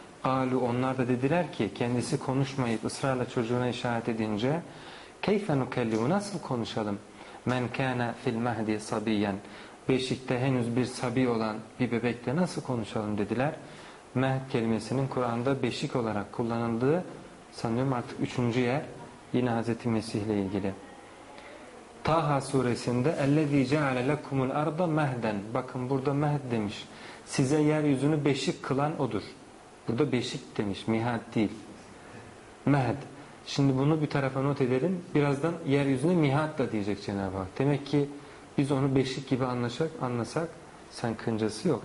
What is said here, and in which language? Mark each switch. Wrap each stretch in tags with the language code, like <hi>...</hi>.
<tr>Alu, onlar da dediler ki, kendisi konuşmayıp ısrarla çocuğuna işaret edince,</tr> <ar>keyfe nukellimu,</ar> <tr>nasıl konuşalım?</tr> <ar>Men kâne fil mehdi sabiyen,</ar> <tr>beşikte henüz bir sabi olan bir bebekle nasıl konuşalım dediler. Mehd kelimesinin Kur'an'da beşik olarak kullanıldığı sanıyorum artık üçüncü yer, yine Hazreti Mesih ile ilgili. Taha suresinde</tr> <ar>اَلَّذ۪ي جَعَلَ لَكُمُ الْاَرْضَ مَهْدًا.</ar> <tr>Bakın burada mehd demiş. Size yeryüzünü beşik kılan odur. Burada beşik demiş, mihad değil. Mehd. Şimdi bunu bir tarafa not edelim. Birazdan yeryüzünü mihad da diyecek Cenab-ı Hak. Demek ki biz onu beşik gibi anlasak sakıncası yok.</tr>